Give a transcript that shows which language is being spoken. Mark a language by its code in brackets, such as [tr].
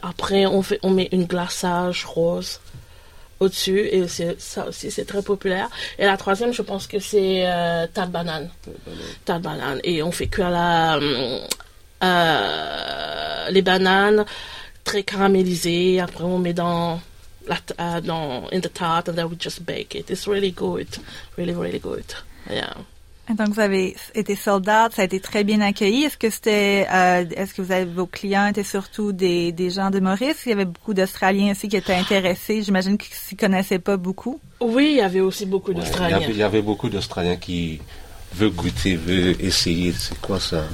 [fr] Après, on met une glaçage rose au-dessus, et ça aussi, c'est très populaire. Et la troisième, je pense que c'est tarte banane. Tarte banane. Et on fait cuire les bananes très caramélisées. Après, on met [en] in the tart, and then we just bake it. It's really good. Really, really good. Yeah. [fr] Donc, vous avez été sold out, ça a été très bien accueilli. Est-ce que vos clients étaient surtout des gens de Maurice? Il y avait beaucoup d'Australiens aussi qui étaient intéressés. J'imagine qu'ils ne s'y connaissaient pas beaucoup. Oui, il y avait aussi beaucoup d'Australiens. Il y avait beaucoup d'Australiens qui veulent goûter, veulent essayer. C'est quoi ça?